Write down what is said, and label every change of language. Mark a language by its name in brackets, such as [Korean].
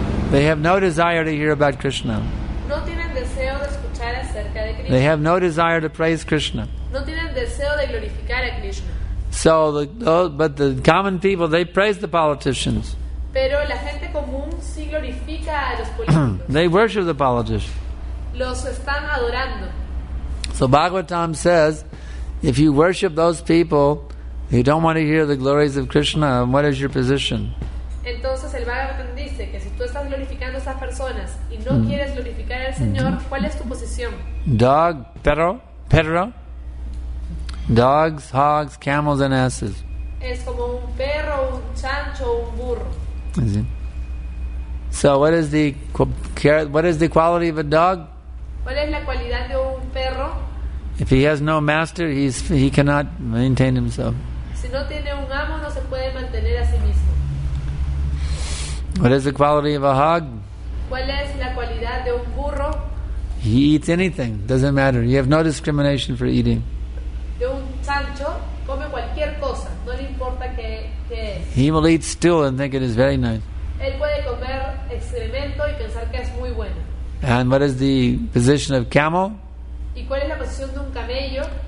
[English] they have no desire to hear about Krishna. [Spanish] No tienen deseo de escuchar acerca de Krishna. [English] They have no desire to praise Krishna. [Spanish] No tienen deseo de glorificar a Krishna. [English] So, but the common people, they praise the politicians. [Spanish] Pero la gente común sí glorifica a los políticos. [English] They worship the politicians. [Spanish] Los están adorando. [English] So Bhagavatam says, if you worship those people, you don't want to hear the glories of Krishna, what is your position? [Spanish] Entonces el Bhagavatam dice que si tú estás glorificando a esas personas y no quieres glorificar al Señor, ¿cuál es tu posición? [English] Dog, [Spanish] perro. [English] Dogs, hogs, camels and asses. [Spanish] Es como un perro, un chancho, un burro. [English] So what is the quality of a dog? [Spanish] ¿Cuál es la cualidad de un perro? [English] If he has no master, he cannot maintain himself. [Spanish] Si no tiene un amo, no se puede mantener a sí mismo. [English] What is the quality of a hog? [Spanish] ¿Cuál es la cualidad de un burro? [English] He eats anything. Doesn't matter. You have no discrimination for eating. [Spanish] De un chancho, come cualquier cosa. No le importa qué es. [English] He will eat stool and think it is very nice. [Spanish] Él puede comer excremento y pensar que es muy bueno. [English] And what is the position of camel? [Spanish] ¿Y cuál es la posición de un camello?